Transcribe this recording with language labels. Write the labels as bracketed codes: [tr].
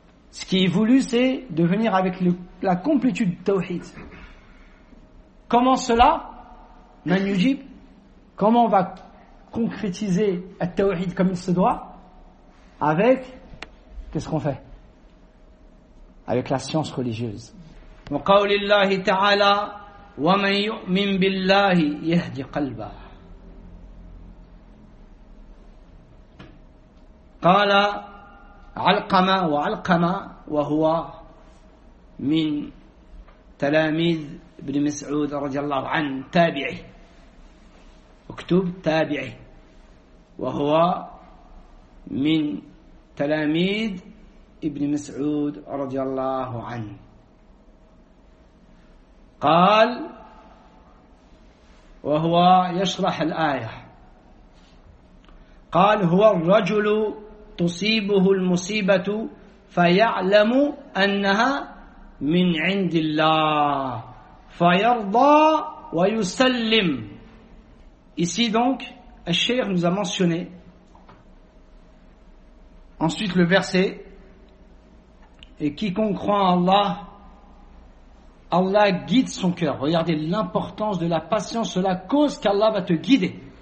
[fr] Ce qui est voulu, c'est de venir avec la complétude du tawhid. Comment cela, [ar] Man Yujib, [fr] comment on va concrétiser le tawhid comme il se doit? Avec, qu'est-ce qu'on fait? Avec la science religieuse. [ar] وَقَوْلِ ta'ala وَمَنْ يُؤْمِنْ بِاللَّهِ يَهْدِ قَلْبًا قال علقمة وعلقمة وهو من تلاميذ ابن مسعود رضي الله عنه تابعي اكتب تابعي وهو من تلاميذ ابن مسعود رضي الله عنه قال وهو يشرح الآية قال هو الرجل تصيبه المصيبة فيعلم أنها من عند الله فيرضى ويسلم. [fr] Ici donc, Al-Shaykh nous a mentionné ensuite le verset: et quiconque croit en Allah, Allah guide son cœur. Regardez l'importance de la patience, cela cause qu'Allah va te guider.